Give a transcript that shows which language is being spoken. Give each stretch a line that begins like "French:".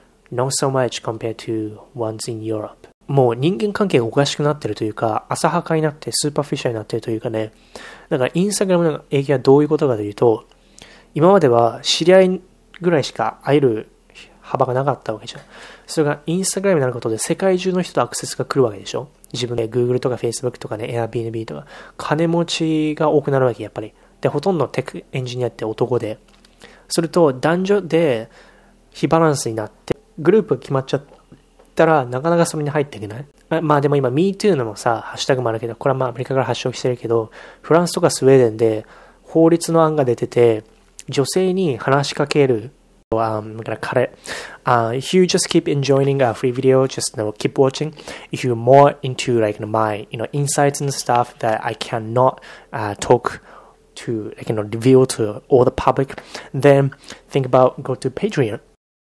English: Not so much compared to ones in Europe.
Japanese: もう人間関係がおかしくなってるというか、浅はかになってスーパーフィシャルになってるというかね。だからインスタグラムの影響はどういうことかというと、今までは知り合いぐらいしか会える幅がなかったわけじゃん。それがインスタグラムになることで世界中の人とアクセスが来るわけでしょ。自分で Google とか Facebook とかね、Airbnb とか、金持ちが多くなるわけ、やっぱり。で、ほとんどテクエンジニアって男で。すると、男女で、非バランスになって、グループが決まっちゃったら、なかなかそれに入っていけない。まあでも今、MeToo のもさ、ハッシュタグもあるけど、これはまあアメリカから発祥してるけど、フランスとかスウェーデンで、法律の案が出てて、女性に話しかける。だから彼。
English: If you just keep enjoying a free video, just know, keep watching. If you're more into like my, you know, insights and stuff that I cannot, talk,to, like, you know, reveal to all the public, then think about go to Patreon.